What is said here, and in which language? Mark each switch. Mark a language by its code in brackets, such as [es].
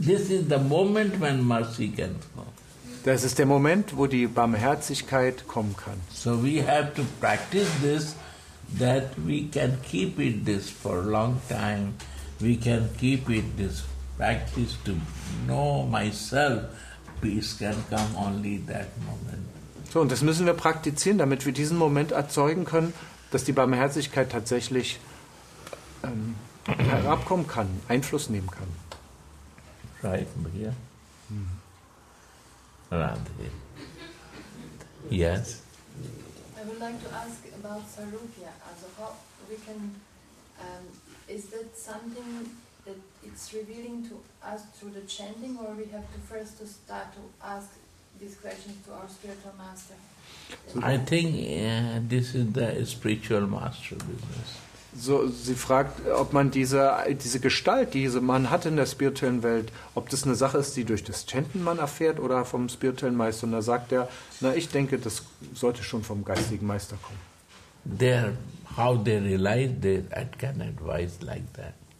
[en] This is the moment when mercy can come. [de] Das ist der Moment, wo die Barmherzigkeit kommen kann. [en] So we have to practice this, that we can keep it this for a long time. We can keep it this practice to know myself. Peace can come only that moment. [de] So, und das müssen wir praktizieren, damit wir diesen Moment erzeugen können, dass die Barmherzigkeit tatsächlich herabkommen kann, Einfluss nehmen kann. [en] Right, Maria. Radhe. Yes. I would like to ask about Sarupya. Also, how we can. Is that something that it's revealing to us through the chanting, or we have to first to start to ask these questions to our spiritual master? I think this is the spiritual master business. [de] So, sie fragt, ob man diese Gestalt, diese man hat in der spirituellen Welt, ob das eine Sache ist, die durch das Chanten man erfährt oder vom spirituellen Meister. Und da sagt er, na, ich denke, das sollte schon vom geistigen Meister kommen. [en] There, how they realize that, I can advise like that.